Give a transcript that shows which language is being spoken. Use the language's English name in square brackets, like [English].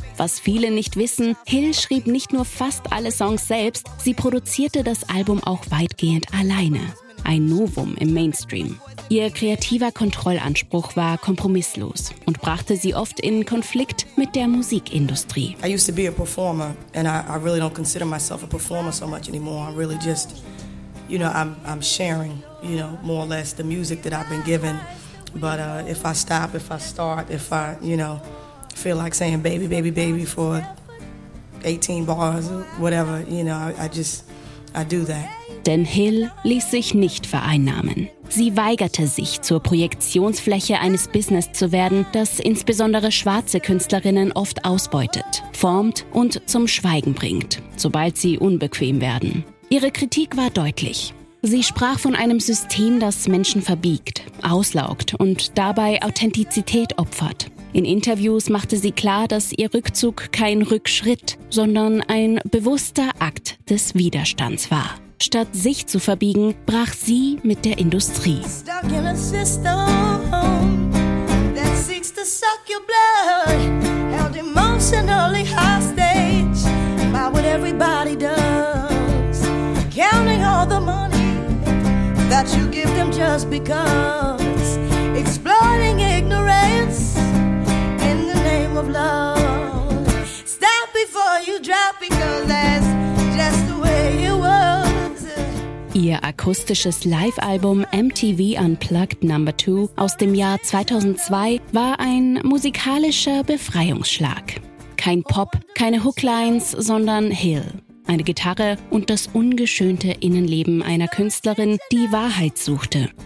[German] Was viele nicht wissen, Hill schrieb nicht nur fast alle Songs selbst, sie produzierte das Album auch weitgehend alleine. Ein Novum im Mainstream. Ihr kreativer Kontrollanspruch war kompromisslos und brachte sie oft in Konflikt mit der Musikindustrie. [English] I used to be a performer and I really don't consider myself a performer so much anymore. I'm really just, you know, I'm sharing, you know, more or less the music that I've been given. But if I stop, if I start, if I, you know, feel like saying baby, baby, baby for 18 bars or whatever, you know, I do that. [German] Denn Hill ließ sich nicht vereinnahmen. Sie weigerte sich, zur Projektionsfläche eines Business zu werden, das insbesondere schwarze Künstlerinnen oft ausbeutet, formt und zum Schweigen bringt, sobald sie unbequem werden. Ihre Kritik war deutlich. Sie sprach von einem System, das Menschen verbiegt, auslaugt und dabei Authentizität opfert. In Interviews machte sie klar, dass ihr Rückzug kein Rückschritt, sondern ein bewusster Akt des Widerstands war. Statt sich zu verbiegen, brach sie mit der Industrie. [English] Stuck in a system that seeks to suck your blood, held emotionally hostage by what everybody does, counting all the money that you give them just because, exploiting ignorance in the name of love. Stop before you drop because that's just the way it was. [German] Ihr akustisches Live-Album MTV Unplugged No. 2 aus dem Jahr 2002 war ein musikalischer Befreiungsschlag. Kein Pop, keine Hooklines, sondern Hill. Eine Gitarre und das ungeschönte Innenleben einer Künstlerin, die Wahrheit suchte.